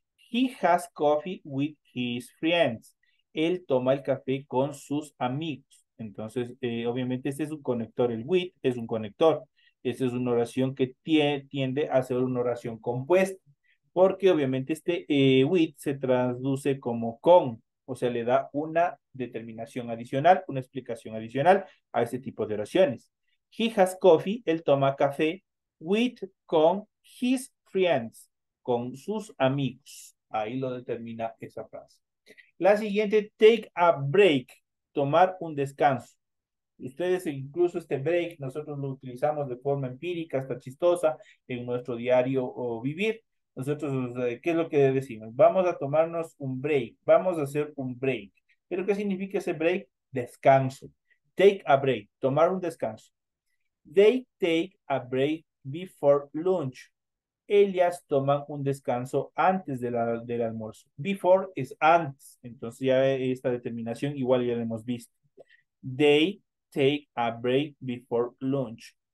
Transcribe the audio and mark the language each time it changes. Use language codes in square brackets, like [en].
[en] He has coffee with his friends. [es] Él toma el café con sus amigos. Entonces, obviamente, este es un conector. El with es un conector. Esta es una oración que tiende a ser una oración compuesta. Porque, obviamente, este with se traduce como con. O sea, le da una determinación adicional, una explicación adicional a este tipo de oraciones. [en] He has coffee. [es] Él toma café with, con [en] his friends, [es] con sus amigos. Ahí lo determina esa frase. La siguiente, [en] take a break, [es] tomar un descanso. Ustedes, incluso este break, nosotros lo utilizamos de forma empírica, hasta chistosa, en nuestro diario o vivir. Nosotros, ¿qué es lo que decimos? Vamos a tomarnos un break, vamos a hacer un break. ¿Pero qué significa ese break? Descanso. [en] Take a break, [es] tomar un descanso. [en] They take a break before lunch. [es] Ellas toman un descanso antes del almuerzo. Before es antes. Entonces ya esta determinación igual ya la hemos visto. [en] They take a break before lunch.